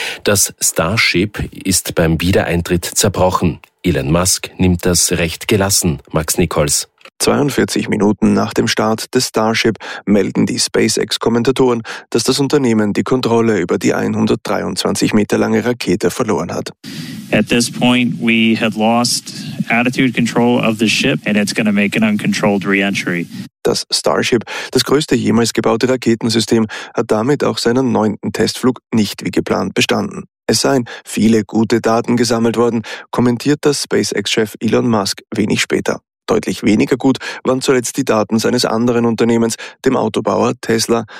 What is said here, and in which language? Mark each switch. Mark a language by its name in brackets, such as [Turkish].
[German] Das Starship ist beim Wiedereintritt zerbrochen. Elon Musk nimmt das recht gelassen, Max Nichols. 42 Minuten nach dem Start des Starship melden die SpaceX-Kommentatoren, dass das Unternehmen die Kontrolle über die 123 Meter lange Rakete verloren hat. [English] At this point we had lost attitude control of the ship and it's going to make an uncontrolled re-entry. [German] Das Starship, das größte jemals gebaute Raketensystem, hat damit auch seinen 9. Testflug nicht wie geplant bestanden. Es seien viele gute Daten gesammelt worden, kommentiert das SpaceX-Chef Elon Musk wenig später. Deutlich weniger gut waren zuletzt die Daten seines anderen Unternehmens, dem Autobauer Tesla.